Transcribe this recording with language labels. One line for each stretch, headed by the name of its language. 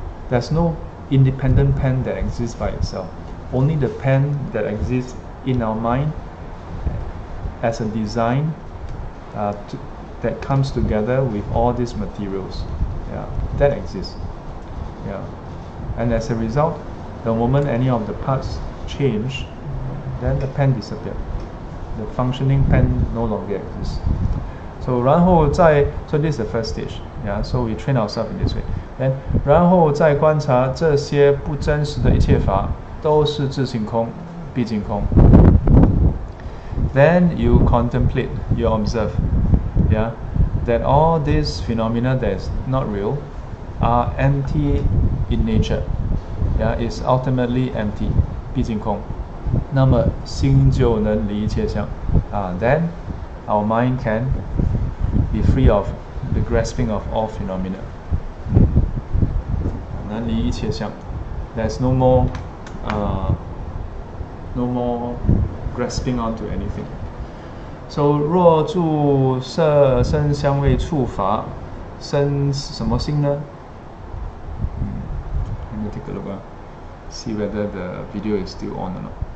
English: There's no independent pen that exists by itself. Only the pen that exists in our mind as a design that comes together with all these materials. Yeah. That exists. Yeah. And as a result, the moment any of the parts change, then the pen disappears. The functioning pen no longer exists. So, 然后再, so this is the first stage, yeah, so we train ourselves in this way.
Chinese: Then, 然后再观察这些不真实的一切法都是自性空毕竟空。
English: Then you contemplate, you observe, yeah, that all these phenomena that is not real are empty in nature, yeah, is ultimately empty, 毕竟空。那么心就能离一切相, then our mind canbe free of the grasping of all phenomena. 能离一切相, there's no more grasping onto anything.
Chinese: So, 若住色声香味触法, 生什么心呢?
English: Let me take a look, see whether the video is still on or not.